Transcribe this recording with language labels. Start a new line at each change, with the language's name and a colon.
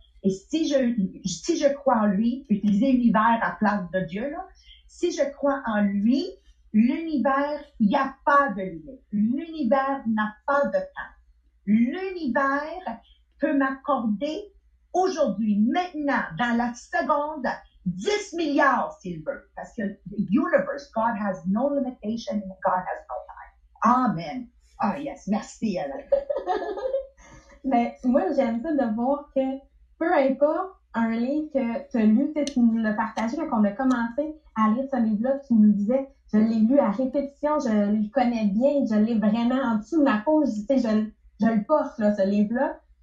French: Et si je crois en lui, utiliser l'univers à la place de Dieu, là, si je crois en lui, l'univers, il n'y a pas de limite. L'univers n'a pas de temps. L'univers peut m'accorder aujourd'hui, maintenant, dans la seconde, 10 milliards s'il veut. Parce que
English: the universe, God has no limitation, God has no time.
French: Amen.
English: Ah, yes,
French: merci, Ellen. Mais moi, j'aime ça de voir que peu importe un livre que tu as lu, tu nous l'as partagé quand on a commencé à lire ce livre-là, tu nous disais, je l'ai lu à répétition, je le connais bien, je l'ai vraiment en dessous de ma peau, je le porte, là, ce livre-là.